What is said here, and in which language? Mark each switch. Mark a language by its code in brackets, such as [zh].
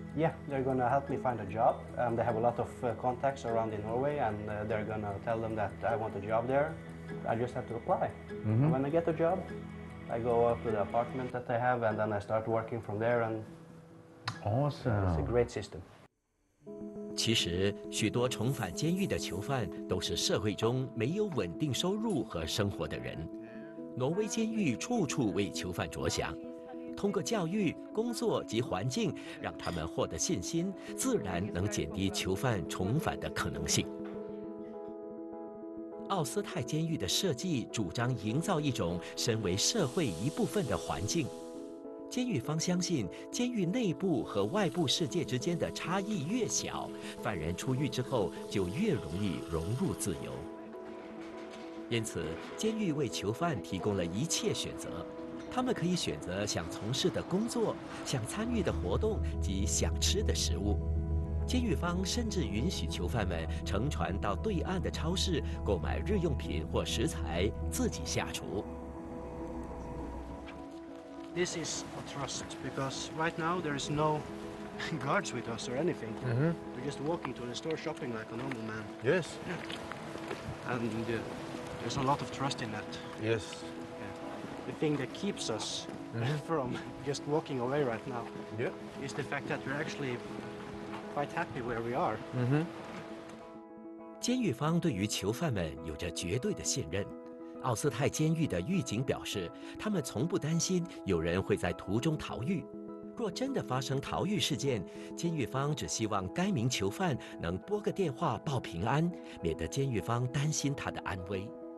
[en] Yeah, they're gonna help me find a job. They have a lot of contacts around in Norway, and they're gonna tell them that I want a job there. I just have to apply. Mm-hmm. And when I get a job, I go up to the apartment that they have, and then I start working from there. And awesome. It's a great system. [zh] 其实许多重返监狱的囚犯都是社会中没有稳定收入和生活的人，挪威监狱处处为囚犯着想，通过教育、工作及环境让他们获得信心，自然能减低囚犯重返的可能性。奥斯泰监狱的设计主张营造一种身为社会一部分的环境，监狱方相信监狱内部和外部世界之间的差异越小，犯人出狱之后就越容易融入自由。因此监狱为囚犯提供了一切选择，他们可以选择想从事的工作、想参与的活动及想吃的食物。监狱方甚至允许囚犯们乘船到对岸的超市购买日用品或食材自己下厨。 [en] This is a trust, because right now there is no guards with us or anything. Mm-hmm. We're just walking to the store shopping like a normal man. Yes. And there's a lot of trust in that. Yes. Yeah. The thing that keeps us mm-hmm. from just walking away right now yeah. is the fact that we're actually quite happy where we are. Mm-hmm. [zh] 监狱方对于囚犯们有着绝对的信任。奥斯泰监狱的狱警表示，他们从不担心有人会在途中逃狱。若真的发生逃狱事件，监狱方只希望该名囚犯能拨个电话报平安，免得监狱方担心他的安危。